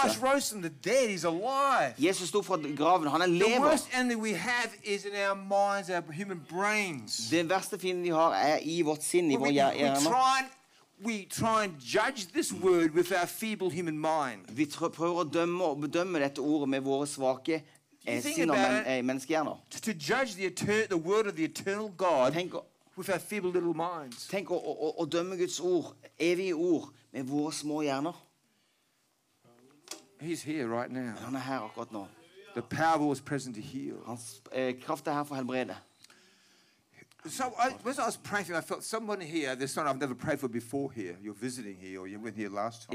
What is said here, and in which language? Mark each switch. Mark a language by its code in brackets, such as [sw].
[en] Christ rose from the dead, he's alive. [no] Jesus sto fra graven, han lever. [en] The worst enemy we have is in our minds, our human brains. [no] Den verste fienden vi har I vårt sinn, I vår hjerne. [en] We try and judge this word with our feeble human mind. [no] Vi prøver å dømme og bedømme dette ordet med våre svake [en] To judge the word of the eternal God with our feeble little minds. [no] Tenk å dømme Guds ord, evige ord, med våre små hjerner. [en] He's here right now. [no] Han her akkurat nå. [en] The power was present to heal. [no] Hans kraft her for helbrede. [en] So as I was praying, I felt someone here, this one I've never prayed for before here. You're visiting here, or you went here last time.